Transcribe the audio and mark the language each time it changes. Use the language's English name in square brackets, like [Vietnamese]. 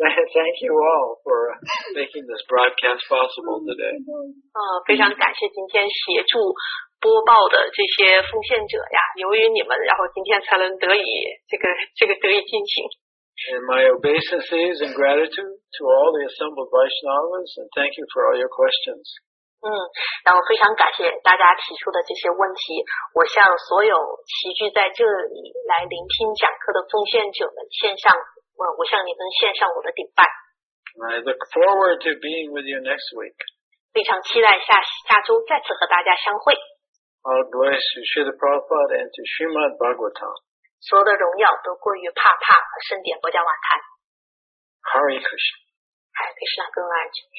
[English] Thank you all for making this broadcast possible today. [Chinese] 非常感谢今天协助播报的这些奉献者呀，由于你们，然后今天才能得以这个得以进行。 [English] And my obeisances and gratitude to all the assembled Vaishnavas, and thank you for all your questions. [Chinese] 然后非常感谢大家提出的这些问题，我向所有齐聚在这里来聆听讲课的奉献者们献上，我向你们献上我的顶拜。 [English] I look forward to being with you next week. [Chinese] 非常期待下周再次和大家相会。 [English] All bless you, Srila Prabhupada, and to Srimad Bhagavatam. [Chinese] 所有的荣耀都归于帕帕和圣典波迦瓦坛。 [English] Hare Krishna. Hare Krishna, Gaurang.